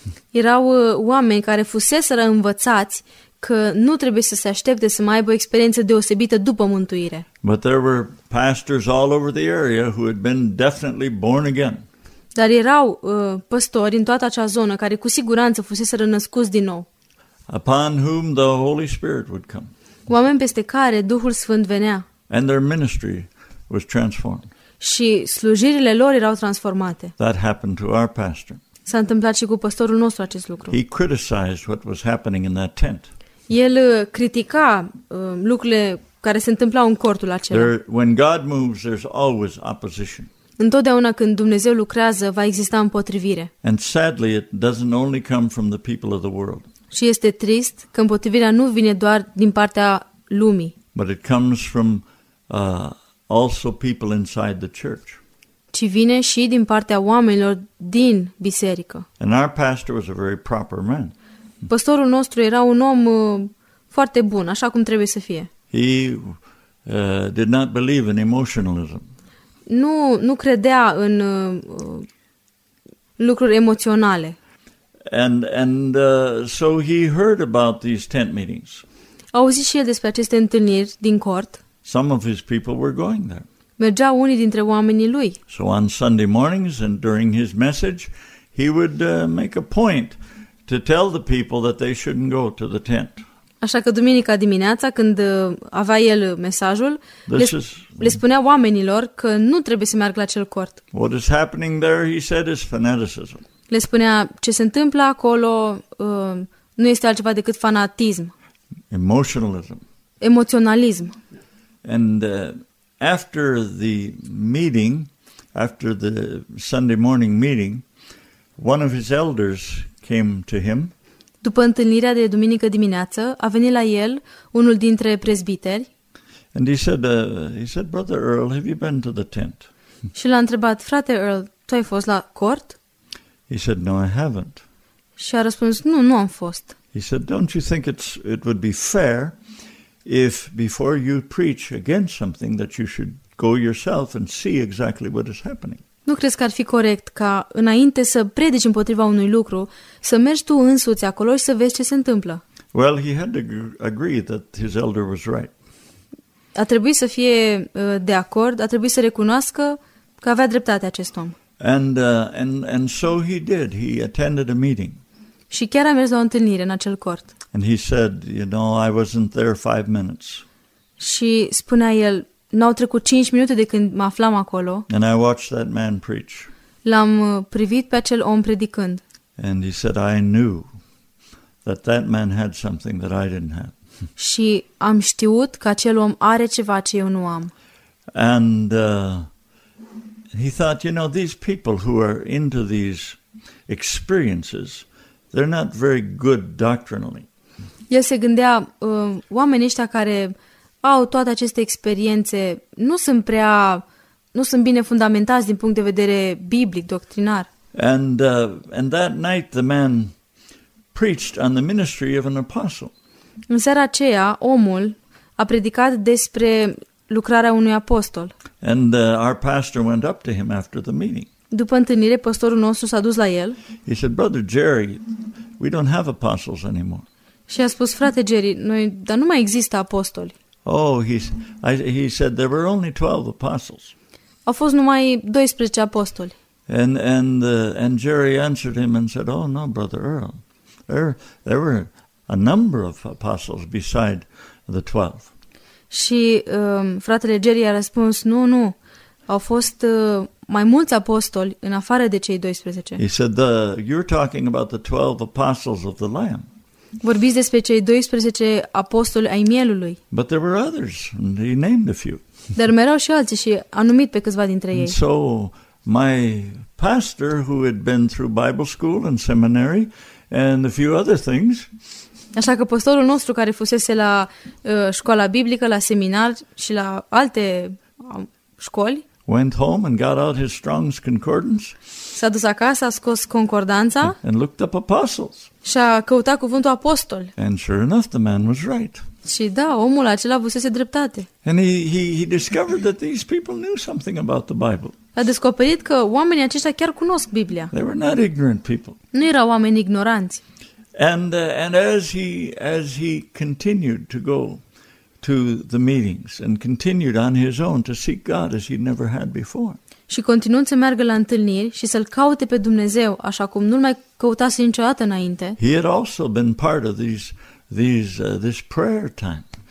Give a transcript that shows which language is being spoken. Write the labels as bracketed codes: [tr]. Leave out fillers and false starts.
[ro] Erau oameni care fuseseră învățați că nu trebuie să se aștepte să mai aibă o experiență deosebită după mântuire. [en] But there were pastors all over the area who had been definitely born again. [ro] Dar erau păstori în toată acea zonă care cu siguranță fuseseră născuți din nou. [en] Upon whom the Holy Spirit would come. [ro] Oameni peste care Duhul Sfânt venea. [en] And their ministry was transformed. [ro] Și slujirile lor erau transformate. [en] That happened to our pastor. [ro] S-a întâmplat și cu pastorul nostru acest lucru. [en] He criticized what was happening in that tent. [ro] El critica lucrurile care se întâmplau în cortul acela. [en] When God moves, there's always opposition. [ro] Întotdeauna când Dumnezeu lucrează, va exista împotrivire. [en] And sadly, it doesn't only come from the people of the world. [ro] Și este trist că împotrivirea nu vine doar din partea lumii. [en] But it comes from also people inside the church. [ro] Ci vine și din partea oamenilor din biserică. [en] And our pastor was a very proper man. [ro] Păstorul nostru era un om foarte bun, așa cum trebuie să fie. [en] He did not believe in emotionalism. [ro] Nu credea în lucruri emoționale. [en] And so he heard about these tent meetings. [ro] Auzi și el despre aceste întâlniri din cort. [en] Some of his people were going there. [ro] Mergeau unii dintre oamenii lui. [en] So on Sunday mornings and during his message, he would make a point to tell the people that they shouldn't go to the tent. [ro] Așa că duminica dimineața, când avea el mesajul, le spunea oamenilor că nu trebuie să meargă la cel cort. [en] What is happening there, he said, is fanaticism. [ro] Le spunea ce se întâmplă acolo, nu este altceva decât fanatism. [en] emotionalism. [ro] Emoționalism. [en] And after the meeting, after the Sunday morning meeting, one of his elders came to him. [ro] După întâlnirea de duminică dimineață, a venit la el unul dintre prezbiteri. [en] And he said, "Brother Earl, have you been to the tent?" [ro] Și l-a întrebat, frate Earl, tu ai fost la cort? [en] He said, "No, I haven't." [ro] Și a răspuns, nu am fost. [en] He said, "Don't you think it would be fair if before you preach against something that you should go yourself and see exactly what is happening?" [ro] Nu crezi că ar fi corect ca înainte să predici împotriva unui lucru, să mergi tu însuți acolo și să vezi ce se întâmplă? [en] Well, he had to agree that his elder was right. [ro] A trebuit să fie de acord, a trebuit să recunoască că avea dreptate acest om. [en] And so he did. He attended a meeting. [ro] Și chiar a mers la o întâlnire în acel cort. [en] And he said, "You know, I wasn't there 5 minutes." [ro] Și spunea el, n-au trecut 5 minute de când mă aflam acolo. [en] And I watched that man preach. [ro] L-am privit pe acel om predicând. [en] And he said, "I knew that that man had something that I didn't have." [ro] Și am știut că acel om are ceva ce eu nu am. [en] And he thought, you know, these people who are into these experiences, they're not very good doctrinally. [ro] El se gândea, oamenii ăștia care au toate aceste experiențe nu sunt bine fundamentați din punct de vedere biblic, doctrinar. [en] And that night the man preached on the ministry of an apostle. [ro] În seara aceea, omul a predicat despre lucrarea unui apostol. [en] And our pastor went up to him after the meeting. [ro] După întâlnire, pastorul nostru s-a dus la el. [en] He said, "Brother Jerry, we don't have apostles anymore." [ro] Și a spus, frate Jerry, dar nu mai există apostoli. [en] Oh, he said there were only 12 apostles. [ro] Au fost numai 12 apostoli. [en] And Jerry answered him and said, "Oh no, Brother Earl, there were a number of apostles beside the 12." [ro] Și fratele Jerry a răspuns, nu, au fost mai mulți apostoli în afară de cei 12. [en] He said, "You're talking about the 12 apostles of the Lamb." [ro] Vorbiți despre cei 12 apostoli ai Mielului. [en] But there were others, and he named a few. [ro] Dar erau și alții și a numit pe câțiva dintre ei. [en] And so my pastor, who had been through Bible school and seminary and a few other things. [ro] Așa că pastorul nostru care fusese la școala biblică, la seminar și la alte școli. [en] Went home and got out his Strong's concordance. [ro] S-a dus acasă, a scos concordanța. [en] And looked up apostles. [ro] Și a căutat cuvântul apostol. [en] And sure enough, the man was right. [ro] Și da, omul acela avusese dreptate. [en] And he discovered that these people knew something about the Bible. [ro] A descoperit că oamenii aceștia chiar cunosc Biblia. [en] They were not ignorant people. [ro] Nu erau oameni ignoranți. [en] And as he continued to go to the meetings and continued on his own to seek God as he never had before. [ro] Și continuând să meargă la întâlniri și să-l caute pe Dumnezeu așa cum nu-l mai căutase niciodată înainte. [en] He had also been part of this prayer time.